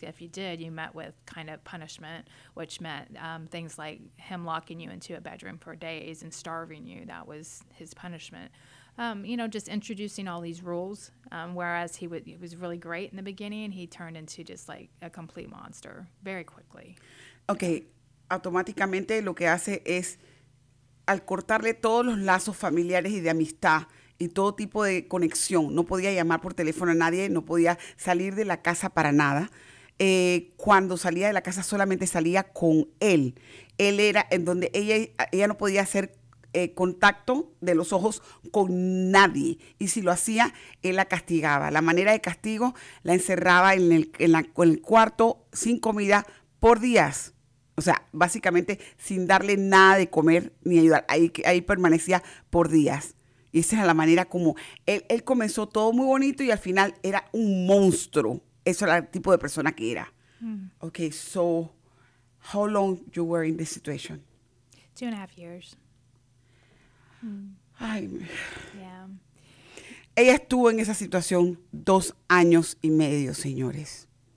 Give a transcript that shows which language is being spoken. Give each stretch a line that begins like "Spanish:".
English: If you did, you met with kind of punishment, which meant things like him locking you into a bedroom for days and starving you. That was his punishment. You know, just introducing all these rules, whereas he was really great in the beginning, he turned into just like a complete monster very quickly.
Spanish: Okay, automáticamente lo que hace es, al cortarle todos los lazos familiares y de amistad y todo tipo de conexión. No podía llamar por teléfono a nadie, no podía salir de la casa para nada. Cuando salía de la casa, solamente salía con él. Él era en donde ella no podía hacer contacto de los ojos con nadie. Y si lo hacía, él la castigaba. La manera de castigo, la encerraba en el cuarto sin comida por días. O sea, básicamente sin darle nada de comer ni ayudar. Ahí permanecía por días. Y esa era la manera como él comenzó todo muy bonito y al final era un monstruo. Eso era el tipo de persona que era. Mm.
English: Okay, so how long you were in this situation? 2.5 years. Mm.
Spanish: Ay, yeah. Ella estuvo en esa situación 2 años y medio, señores.